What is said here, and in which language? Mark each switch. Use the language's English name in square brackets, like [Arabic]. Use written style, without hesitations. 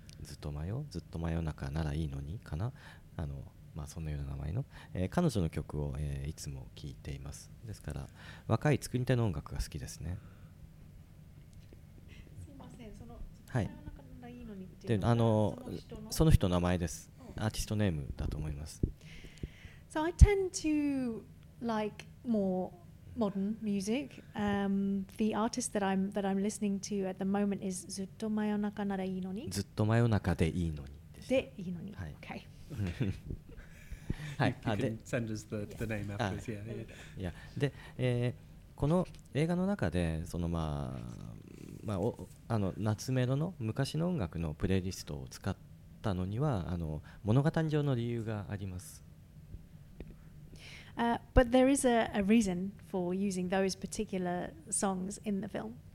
[Japanese] ずっと真夜、ずっと真夜中ならいいのにかな、あのまあ、そのような名前の、彼女の曲を、いつも聴いています。ですから若い作り手の音楽が好きですね。すいません、その真夜中ならいいのにっていうのは、その人の名前です。アーティストネームだと思います。 [English] So I tend to like more modern music、the artist that I'm listening to at the moment is ずっと真夜中ならいいのに、 [Japanese] ずっと真夜中でいいのにでいいのに、はい、okay. [English] You can send us the name afterwards. Yeah. [Japanese] で、この映画の中でそのまあ、まあ、あの夏メロの昔の音楽のプレイリストを使ったのにはあの物語上の理由があります。 [English] But there is a reason for using those particular songs in the film.